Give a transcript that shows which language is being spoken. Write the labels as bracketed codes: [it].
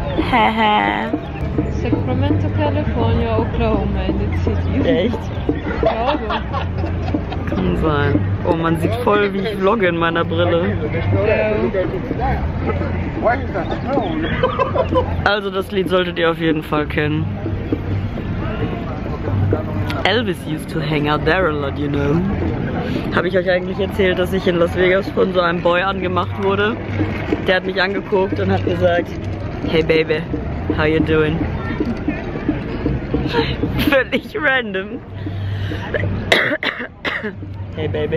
[en] Sacramento, California, Oklahoma in the city. [de] Echt? Ja, kann sein. Oh, man sieht voll, wie ich vlogge in meiner Brille. Also, das Lied solltet ihr auf jeden Fall kennen. [en] Elvis used to hang out there a lot, you know. [de] Habe ich euch eigentlich erzählt, dass ich in Las Vegas von so einem Boy angemacht wurde? Der hat mich angeguckt und hat gesagt, [en] hey Baby, how you doing? [de] Völlig random. [en] Hey Baby.